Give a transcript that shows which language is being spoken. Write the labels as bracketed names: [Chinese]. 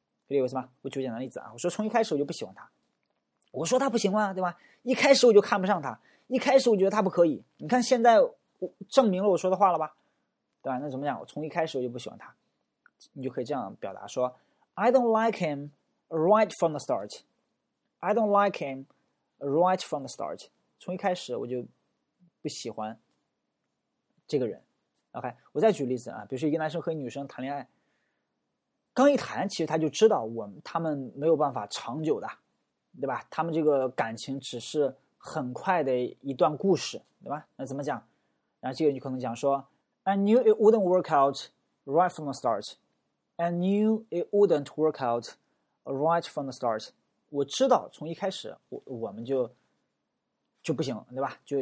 [Chinese] 理解为什么？我举简单例子啊，我说从一开始我就不喜欢他，我说他不行啊，对吧？一开始我就看不上他，一开始我觉得他不可以。你看现在我证明了我说的话了吧，对吧？那怎么讲？我从一开始我就不喜欢他，你就可以这样表达说 ： [English] I don't like him right from the start. I don't like him right from the start. [Chinese] 从一开始我就不喜欢这个人。 OK， 我再举例子啊，比如说一个男生和一女生谈恋爱。刚一谈其实他就知道他们没有办法长久的，对吧？他们这个感情只是很快的一段故事，对吧？那怎么讲？然后这个你可能讲说 [English] I knew it wouldn't work out right from the start. I knew it wouldn't work out right from the start. [Chinese] 我知道从一开始我们就不行，对吧？